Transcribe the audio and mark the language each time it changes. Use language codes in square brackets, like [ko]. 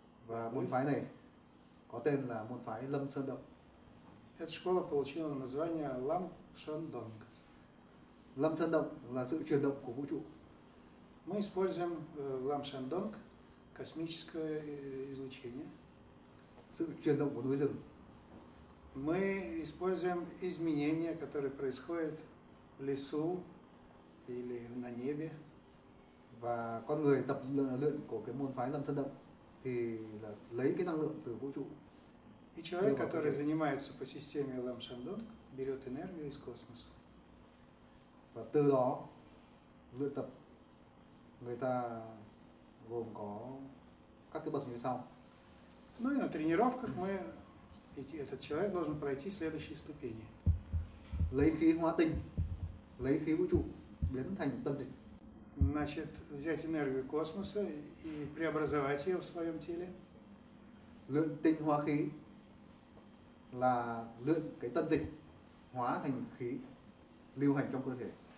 [vi] Và môn phái này có tên là môn phái Lâm Sơn Động. [ru] Эта школа получила название Lam Sơn Động. [vi] Lâm Sơn Động là sự chuyển động của vũ trụ. [ru] Мы используем в Lam Sơn Động космическое излучение. [vi] Sự chuyển động của núi rừng. [ru] Мы используем изменения, которые происходят в лесу или на небе. [vi] Và con người tập luyện của cái môn phái Lâm Sơn Động thì là lấy cái năng lượng từ vũ trụ. [ru] И человек, который занимается по системе Lam Sơn Động, берет энергию из космоса. [vi] Và từ đó luyện tập người ta gồm có các cái bậc như sau. [ru] Ну и на тренировках мы этот человек должен пройти следующие ступени. [vi] Lấy khí hóa tinh, lấy khí vũ trụ biến thành tâm tịnh. [ru] Значит, взять энергию космоса и преобразовать ее в своем теле. [vi] Luyện tinh hóa khí là luyện cái tân dịch hóa thành khí lưu hành trong cơ thể.